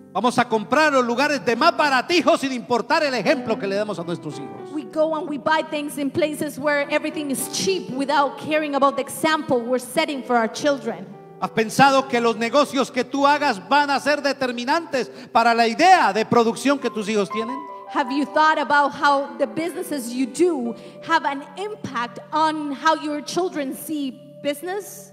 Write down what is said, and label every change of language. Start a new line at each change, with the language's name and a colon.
Spanish: Vamos a comprar los lugares de más baratijo sin importar el ejemplo que le damos a nuestros hijos.
English: We go and we buy things in places where everything is cheap without caring about the example we're setting for our children.
Spanish: ¿Has pensado que los negocios que tú hagas van a ser determinantes para la idea de producción que tus hijos tienen?
English: Have you thought about how the businesses you do have an impact on how your children see business?